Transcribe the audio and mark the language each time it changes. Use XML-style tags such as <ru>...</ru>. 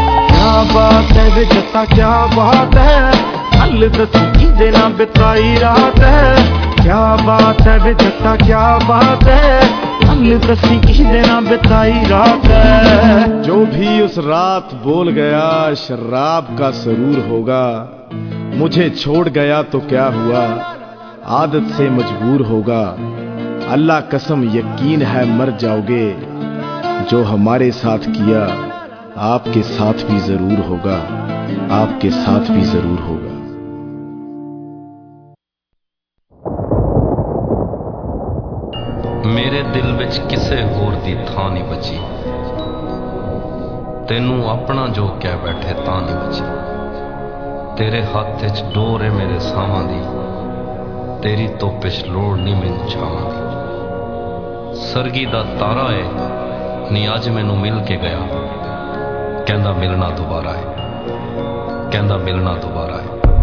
<hi>ਕਿਆ ਬਾਤ ਹੈ</hi> <pa>ਵੇ ਜੱਟਾ ਕਿਆ ਬਾਤ ਹੈ, ਕੱਲ ਦਸੀ ਕਿਹਦੇ ਨਾਲ ਬਿਤਾਈ ਰਾਤ ਹੈ। ਕਿਆ ਬਾਤ ਹੈ ਵੇ ਜੱਟਾ ਕਿਆ ਬਾਤ ਹੈ, ਕੱਲ ਦਸੀ ਕਿਹਦੇ ਨਾਲ ਬਿਤਾਈ ਰਾਤ ਹੈ।</pa> <hi>ਜੋ ਵੀ ਉਸ ਰਾਤ ਬੋਲ ਗਿਆ, ਸ਼ਰਾਬ ਕਾ ਸਰੂਰ ਹੋਗਾ। मुझे छोड़ गया तो क्या हुआ, आदत से मजबूर होगा। अल्लाह कसम यकीन है मर जाओगे, जो हमारे साथ किया आपके साथ भी जरूर होगा, आपके साथ भी जरूर होगा।</hi> <pa>ਮੇਰੇ ਦਿਲ ਵਿੱਚ ਕਿਸੇ ਹੋਰ ਦੀ ਥਾਂ ਨਹੀਂ ਬਚੀ, ਤੈਨੂੰ ਆਪਣਾ ਜੋ ਕਹਿ ਬੈਠੇ ਤਾਂ ਨਹੀਂ ਬਚੀ, ਤੇਰੇ ਹੱਥ ਵਿੱਚ ਡੋਰ ਹੈ ਮੇਰੇ ਸਾਹਾਂ ਦੀ, ਤੇਰੀ ਧੁੱਪਿਛ ਲੋੜ ਨਹੀਂ ਮੈਨੂੰ ਛਾਵਾਂ ਦੀ, ਸਰਗੀ ਦਾ ਤਾਰਾ ਹੈ ਨੀ ਅੱਜ ਮੈਨੂੰ ਮਿਲ ਕੇ ਗਿਆ, ਕਹਿੰਦਾ ਮਿਲਣਾ ਦੁਬਾਰਾ ਹੈ, ਕਹਿੰਦਾ ਮਿਲਣਾ ਦੁਬਾਰਾ ਹੈ।</pa>